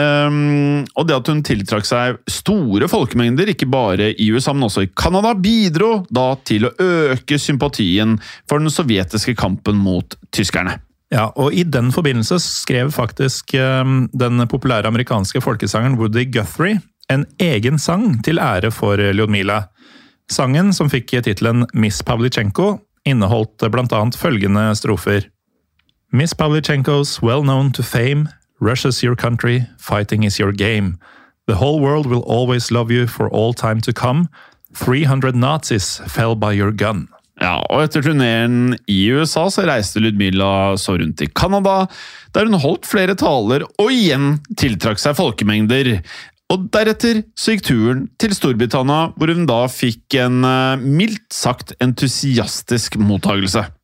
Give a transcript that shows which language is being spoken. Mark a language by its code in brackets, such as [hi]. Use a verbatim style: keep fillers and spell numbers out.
[no] Um, og det at hun tiltrakk seg store folkemengder, ikke bare i U S A, men også i Kanada, bidro da til å øke sympatien for den sovjetiske kampen mot tyskerne. Ja, og i den forbindelse skrev faktisk um, den populære amerikanske folkesangeren Woody Guthrie en egen sang til ære for Ljudmila. Sangen, som fikk titlen «Miss Pavlichenko», inneholdt blant annet følgende strofer. [en] Miss Pavlichenko's well known to fame, Russia's your country, fighting is your game. The whole world will always love you for all time to come. three hundred Nazis fell by your gun. [no] Ja, og etter turneren i U S A så reiste Ljudmila så rundt i Kanada, der hun holdt flere taler og igjen tiltrakk seg folkemengder. Og deretter så gikk turen til Storbritannia, hvor hun da fikk en mildt sagt entusiastisk mottagelse.